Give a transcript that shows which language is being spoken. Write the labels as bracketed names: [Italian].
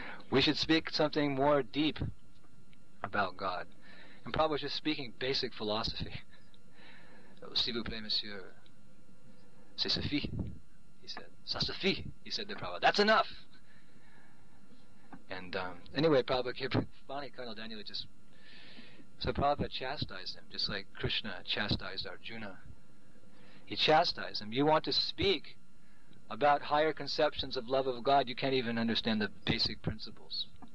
[English] We should speak something more deep about God. And Prabhupada was just speaking basic philosophy. [French] S'il vous plaît, monsieur, c'est suffit, [English] he said. [French] Ça suffit, [English] he said to Prabhupada. That's enough! And anyway, Prabhupada kept finally Colonel Daniel just... So Prabhupada chastised him, just like Krishna chastised Arjuna. He chastised him. You want to speak about higher conceptions of love of God, you can't even understand the basic principles.